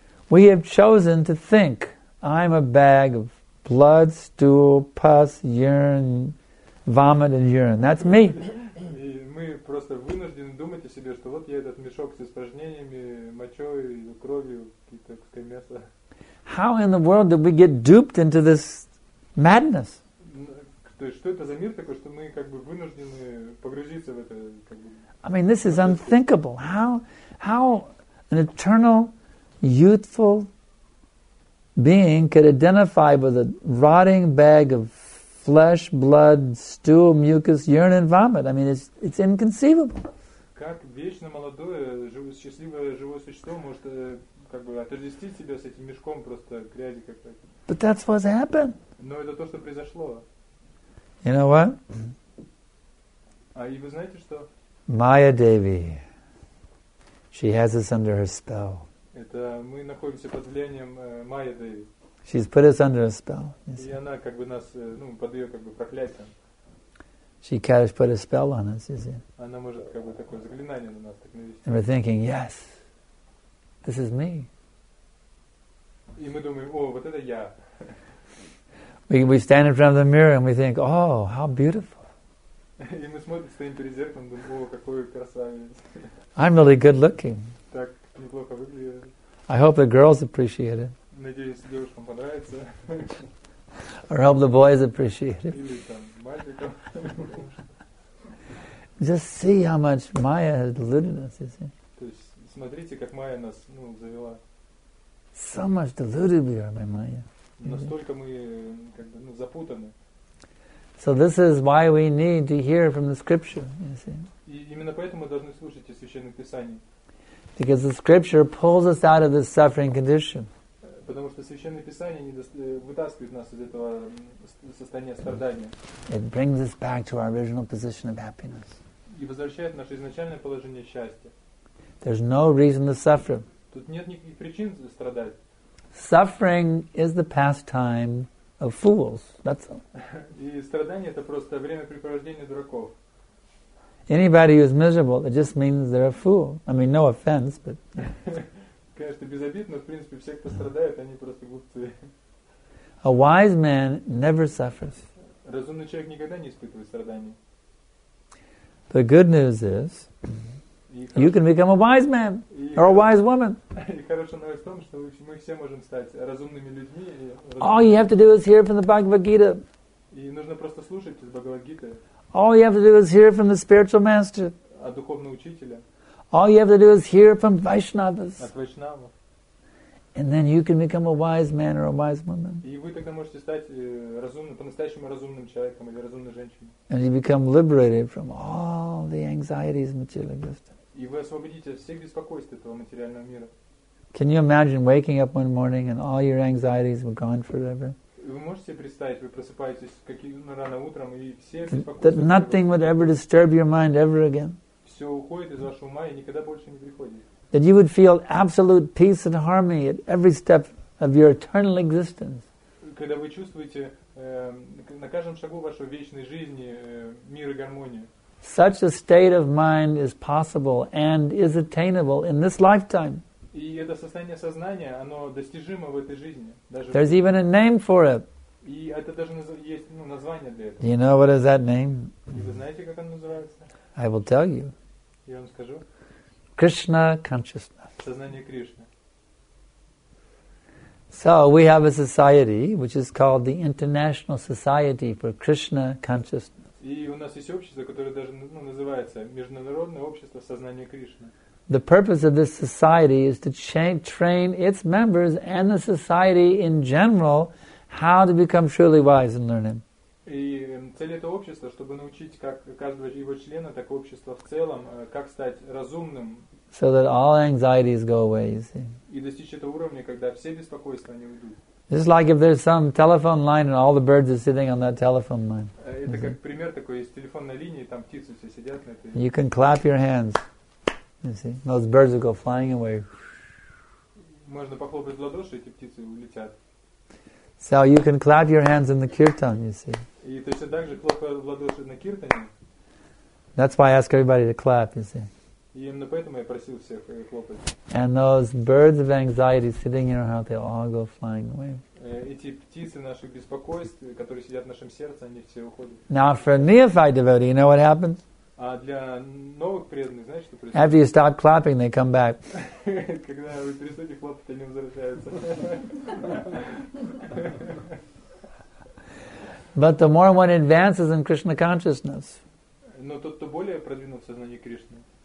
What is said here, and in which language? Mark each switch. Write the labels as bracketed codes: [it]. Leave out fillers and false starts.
[en] We have chosen to think, I'm a bag of blood, stool, pus, urine, vomit and urine. That's me. [ru] Мы просто вынуждены думать о себе, что вот я этот мешок с испражнениями, мочой, кровью, какие-то куски мяса. [en] How in the world did we get duped into this madness? [ru] То есть что это за мир такой, что мы как бы вынуждены погрузиться в это? [en] I mean, this is unthinkable. How an eternal, youthful being could identify with a rotting bag of flesh, blood, stool, mucus, urine, and vomit. I mean, it's inconceivable. [ru] Как вечно молодое, счастливое живое существо может как бы отождествить себя с этим мешком просто грязи как-то. [en] But that's what's happened. [ru] Но это то, что произошло. [en] You know what? [ru] А и вы знаете что? [en] Maya Devi. She has us under her spell. [ru] Это мы находимся под влиянием Maya Devi. [en] She's put us under a spell. [ru] И она как бы нас, ну, под ее как бы проклятием. [en] She can put a spell on us, you see. [ru] Она может как бы такое заклинание на нас так навести. [en] And we're thinking, yes, this is me. [ru] И мы думаем, о, вот это я. [en] We stand in front of the mirror and we think, oh, how beautiful. [ru] И мы смотрим, стоим перед зеркалом, думаем, о, какой красавец. [en] I'm really good looking. [ru] Так неплохо выгляжу. [en] I hope the girls appreciate it. [ru] Надеюсь, девушкам понравится. [en] Or help the boys appreciate it. [ru] Или там мальчикам. [en] Just see how much Maya has deluded us, you see. [ru] То есть смотрите, как Maya нас, ну, завела. [en] So much deluded we are by Maya. [ru] Настолько мы как бы, ну, запутаны. [en] So this is why we need to hear from the scripture, you see. [ru] И именно поэтому мы должны слушать из священных писаний. [en] Because the scripture pulls us out of this suffering condition. [ru] Потому что Священное Писание не вытаскивает нас из этого состояния страдания. [en] It brings us back to our original position of happiness. [ru] И возвращает наше изначальное положение счастья. [en] There's no reason to suffer. [ru] Тут нет никаких причин страдать. [en] Suffering is the pastime of fools. That's all. [ru] И страдание — это просто времяпрепровождение дураков. [en] Anybody who is miserable, it just means they're a fool. I mean, no offense, but. [ru] Конечно, без обид, но, в принципе, все, кто страдает, они просто глупцы. [en] A wise man never suffers. [ru] Разумный человек никогда не испытывает страданий. [en] The good news is, you can become a wise man or a wise woman. [ru] И хорошая новость в том, что мы все можем стать разумными людьми. [en] All you have to do is hear from the Bhagavad Gita. [ru] И нужно просто слушать из Бхагавад Гиты. [en] All you have to do is hear from the spiritual master. [ru] От духовного учителя. [en] All you have to do is hear from Vaishnavas. And then you can become a wise man or a wise woman. [ru] И вы тогда можете стать разумным, по-настоящему разумным человеком или разумной женщиной. [en] And you become liberated from all the anxieties of material existence. [ru] И вы освободите все беспокойства этого материального мира. [en] Can you imagine waking up one morning and all your anxieties were gone forever? [ru] Вы можете себе представить, вы просыпаетесь каким-то рано утром и все беспокойства. [en] That nothing would ever disturb your mind ever again. [ru] Все уходит из вашего ума и никогда больше не приходит. [en] That you would feel absolute peace and harmony at every step of your eternal existence. [ru] Когда вы чувствуете на каждом шагу вашей вечной жизни мир и гармонию. [en] Such a state of mind is possible and is attainable in this lifetime. [ru] И это состояние сознания, оно достижимо в этой жизни. [en] There's even a name for it. [ru] И это даже есть название для этого. [en] Do you know what is that name? [ru] И вы знаете, как оно называется? [en] I will tell you. [ru] Я вам скажу. [en] Krishna consciousness. [ru] Сознание Кришны. [en] So we have a society which is called the International Society for Krishna Consciousness. [ru] И у нас есть общество, которое даже называется Международное общество сознания Кришны. [en] The purpose of this society is to train its members and the society in general how to become truly wise and learned. [ru] И цель этого общества, чтобы научить как каждого его члена, так и общество в целом, как стать разумным. [en] So that all anxieties go away, you see. [ru] И достичь этого уровня, когда все беспокойства не уйдут. [en] This is like if there's some telephone line and all the birds are sitting on that telephone line. [ru] Это как пример такой, есть телефонная линия, и там птицы все сидят на этой. [en] You can clap your hands, you see. Those birds will go flying away. [ru] Можно похлопать в ладоши, эти птицы улетят. [en] So you can clap your hands in the kirtan, you see. [ru] И точно так же хлопают в ладоши на киртане. [en] That's why I ask everybody to clap, you see. [ru] И именно поэтому я просил всех хлопать. [en] And those birds of anxiety sitting in our heart, they all go flying away. [ru] Эти птицы наших беспокойств, которые сидят в нашем сердце, они все уходят. [en] Now for a neophyte devotee, you know what happens? [ru] А для новых преданных, знаешь, что происходит? [en] After you stop clapping, they come back. [ru] Когда вы перестаете хлопать, они возвращаются. [en] But the more one advances in Krishna consciousness, [ru] но тот, кто более продвинул в сознании Кришны,